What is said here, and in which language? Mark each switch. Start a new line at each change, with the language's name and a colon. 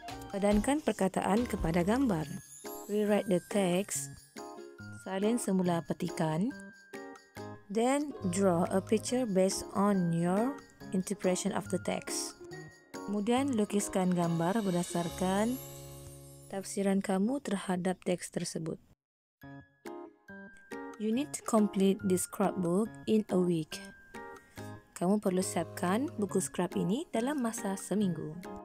Malay: Padankan perkataan kepada gambar.
English: Rewrite the text.
Malay: Salin semula petikan.
English: Then draw a picture based on your interpretation of the text.
Malay: Kemudian lukiskan gambar berdasarkan tafsiran kamu terhadap teks tersebut.
English: You need to complete this scrapbook in a week.
Malay: Kamu perlu siapkan buku scrap ini dalam masa seminggu.